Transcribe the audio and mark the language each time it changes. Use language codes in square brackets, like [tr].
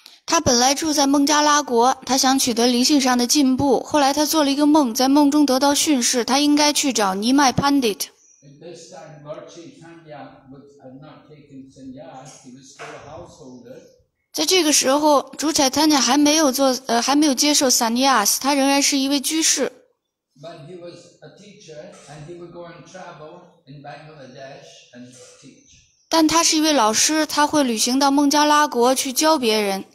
[zh] 他本来住在孟加拉国，他想取得灵性上的进步。后来他做了一个梦，在梦中得到训示，他应该去找尼麦 Pandit. [en] At this time, Lord Chaitanya had not taken sannyas; he was still a householder. [zh] 在这个时候，主 Chaitanya 还没有接受 sannyas， 他仍然是一位居士。 [en] But he was a teacher, and he would go and travel in Bangladesh and teach. [zh] 但他是一位老师，他会旅行到孟加拉国去教别人。